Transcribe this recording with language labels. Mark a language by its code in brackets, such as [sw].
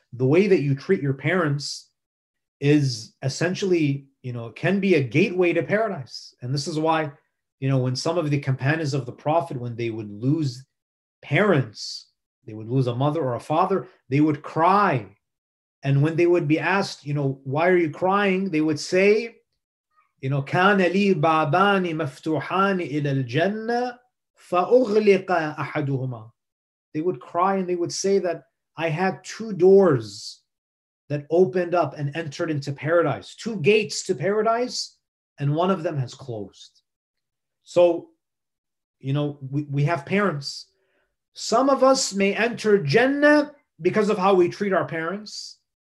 [en] The way that you treat your parents is essentially, you know, can be a gateway to paradise. And this is why, you know, when some of the companions of the Prophet, when they would lose parents, they would lose a mother or a father, they would cry. And when they would be asked, you know, why are you crying? They would say, you know, [ar] كَانَ لِي بَابَانِ مَفْتُوحَانِ إِلَى الْجَنَّةِ فَأُغْلِقَ أَحَدُهُمَا. [en] They would cry and they would say that I had two doors that opened up and entered into paradise, two gates to paradise, and one of them has closed. So, you know, we have parents. Some of us may enter Jannah because of how we treat our parents.